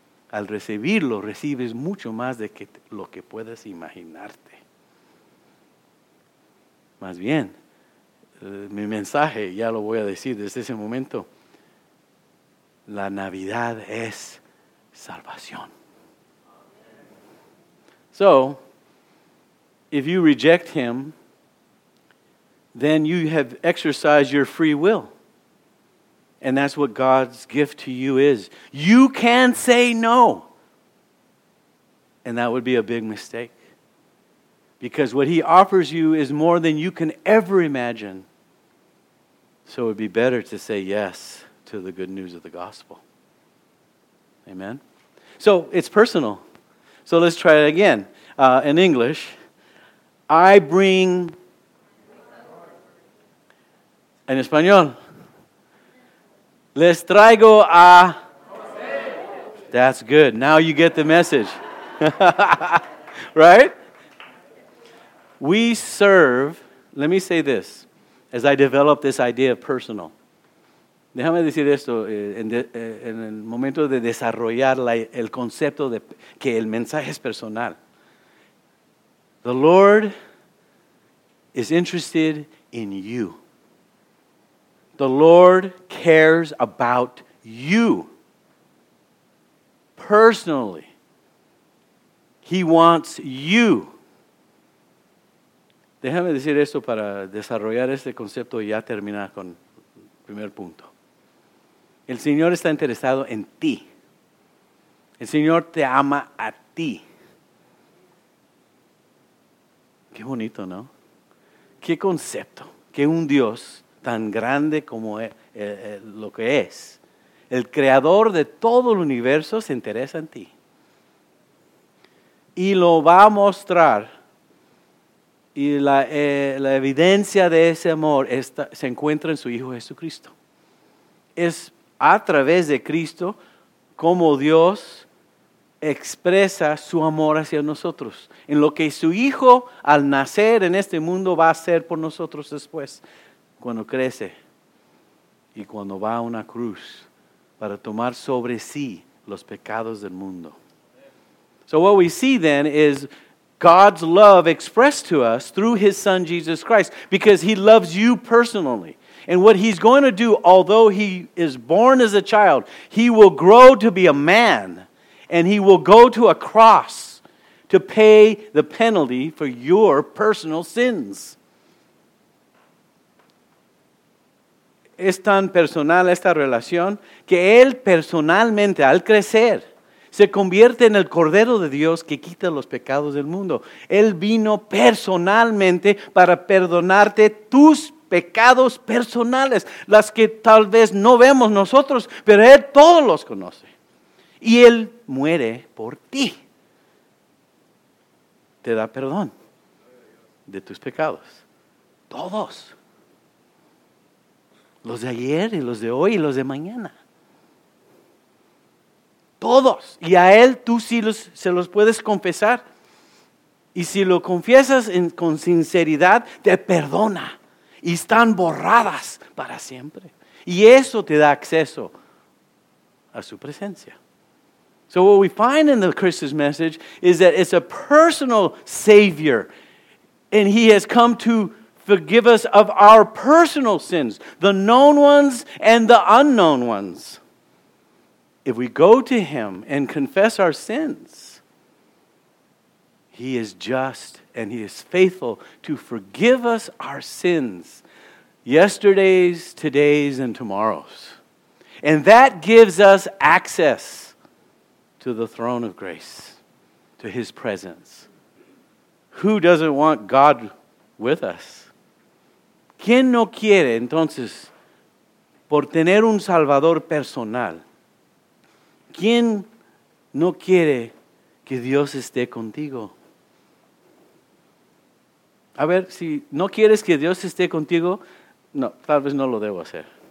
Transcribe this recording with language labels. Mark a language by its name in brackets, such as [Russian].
[Spanish] Al recibirlo, recibes mucho más de que lo que puedes imaginarte. Más bien, mi mensaje, ya lo voy a decir desde ese momento, la Navidad es salvación. [English] So, if you reject him, then you have exercised your free will. And that's what God's gift to you is. You can say no. And that would be a big mistake. Because what he offers you is more than you can ever imagine. So it would be better to say yes to the good news of the gospel. Amen? So, it's personal. So, let's try it again. In English, I bring... [Spanish] En español. Les traigo a... [English] That's good. Now you get the message. Right? We serve... Let me say this. As I develop this idea of personal... [Spanish] Déjame decir esto en el momento de desarrollar el concepto de que el mensaje es personal. [English] The Lord is interested in you. The Lord cares about you. Personally, He wants you. [Spanish] Déjame decir esto para desarrollar este concepto y ya terminar con el primer punto. El Señor está interesado en ti. El Señor te ama a ti. Qué bonito, ¿no? Qué concepto. Que un Dios tan grande como lo que es, el creador de todo el universo, se interesa en ti. Y lo va a mostrar. Y la evidencia de ese amor se encuentra en su Hijo Jesucristo. Es a través de Cristo, como Dios expresa su amor hacia nosotros. En lo que su Hijo al nacer en este mundo va a hacer por nosotros después, cuando crece y cuando va a una cruz para tomar sobre sí los pecados del mundo. [English] So what we see then is God's love expressed to us through His Son Jesus Christ, because He loves you personally. And what He's going to do, although He is born as a child, He will grow to be a man, and He will go to a cross to pay the penalty for your personal sins. [Spanish] Es tan personal esta relación que Él personalmente, al crecer, se convierte en el Cordero de Dios que quita los pecados del mundo. Él vino personalmente para perdonarte tus pecados personales, las que tal vez no vemos nosotros, pero Él todos los conoce. Y Él muere por ti. Te da perdón de tus pecados. Todos. Los de ayer y los de hoy y los de mañana. Todos. Y a Él tú sí se los puedes confesar. Y si lo confiesas con sinceridad, te perdona. Y están borradas para siempre. Y eso te da acceso a su presencia. [English] So what we find in the Christmas message is that it's a personal Savior. And He has come to forgive us of our personal sins, the known ones and the unknown ones. If we go to Him and confess our sins, He is just and He is faithful to forgive us our sins, yesterday's, today's, and tomorrow's. And that gives us access to the throne of grace, to His presence. Who doesn't want God with us? [Spanish] ¿Quién no quiere, entonces, por tener un Salvador personal? ¿Quién no quiere que Dios esté contigo? A ver, si no quieres que Dios esté contigo, no, tal vez no lo debo hacer.